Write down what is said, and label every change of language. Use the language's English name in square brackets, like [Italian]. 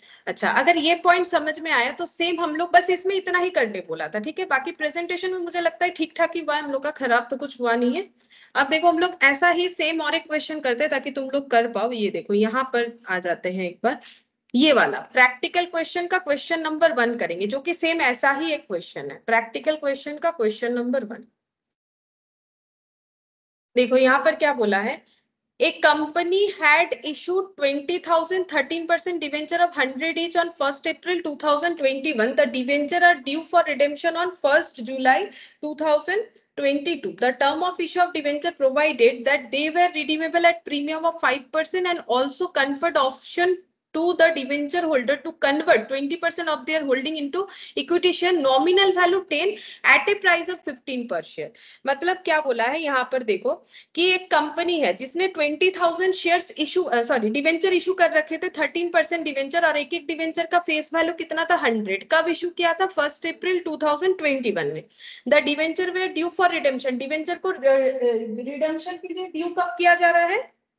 [Hindi] अच्छा, अगर ये पॉइंट समझ में आया तो सेम हम लोग बस इसमें इतना ही करने बोला था, ठीक है, बाकी प्रेजेंटेशन में मुझे लगता है ठीक ठाक ही हुआ हम लोग का, खराब तो कुछ हुआ नहीं है। अब देखो हम लोग ऐसा ही सेम और एक क्वेश्चन करते हैं ताकि तुम लोग कर पाओ, ये देखो यहाँ पर आ जाते हैं एक बार, ये वाला प्रैक्टिकल क्वेश्चन का क्वेश्चन नंबर वन करेंगे, जो कि सेम ऐसा ही एक क्वेश्चन है, प्रैक्टिकल क्वेश्चन का क्वेश्चन नंबर वन। देखो यहाँ पर क्या बोला है, [English] A company had issue 20,013% debenture of 100 each on 1st April 2021, the debenture are due for redemption on 1st July 2022, the term of issue of debenture provided that they were redeemable at premium of 5% and also conferred option to the debenture holder to convert 20% of their holding into equity share nominal value 10 at a price of 15 per share. [Hindi] मतलब क्या बोला है यहाँ पर देखो कि एक company है जिसने 20,000 shares issue sorry debenture issue कर रखे थे 13% debenture और एक एक debenture का face value कितना था 100, कब issue किया था 1st April 2021 में, [English] the debenture were due for redemption, [Hindi] debenture को redemption के लिए due कब किया जा रहा है,